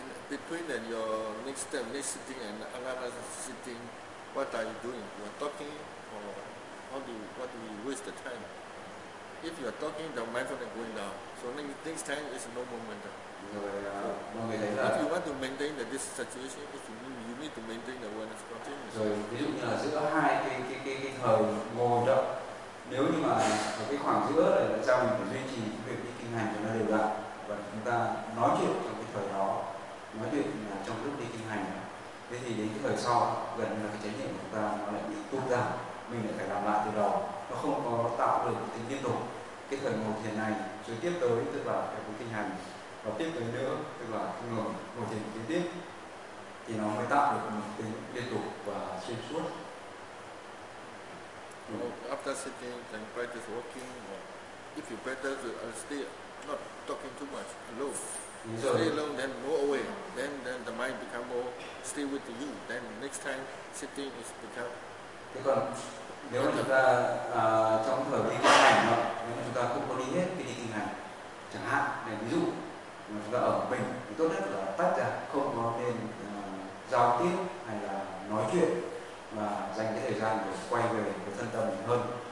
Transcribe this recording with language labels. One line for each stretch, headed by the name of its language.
English: Between then your next step, next sitting and another sitting, what are you doing? You are talking, or what do you waste the time? If you are talking, the mindfulness is going down. So next time is no momentum. If you want to maintain the this situation, you need to maintain the awareness continuously.
Vietnamese: So, ví dụ như là giữa hai cái thời ngồi đó, nếu như mà ở cái khoảng giữa này là sao mình phải duy trì việc đi kinh hành cho nó đều đặn và chúng ta nói chuyện trong cái thời đó, nói chuyện là trong lúc đi kinh hành. Thế thì đến cái thời sau gần như là cái chánh niệm của chúng ta nó lại bị tụt giảm, mình lại phải làm lại từ đầu, nó không có tạo được tính liên tục. Cái thời ngồi thiền này rồi tiếp tới tức là cái buổi kinh hành và tiếp tới nữa tức là cái ngồi thiền kế tiếp thì nó mới tạo được một tính liên tục và xuyên suốt.
English: After sitting and practice walking, if you better to stay not talking too much alone. Stay alone, then go away. Then the mind become more stay with you. Then next time sitting is become.
Vietnamese: Thế còn nếu chúng ta trong thời đi kinh hành đó, nếu chúng ta không có đi hết cái đi kinh hành, chẳng hạn để ví dụ mà chúng ta ở mình thì tốt nhất là tắt ra, không có nên giao tiếp hay là nói chuyện mà dành cái thời gian để quay về với thân tâm mình hơn.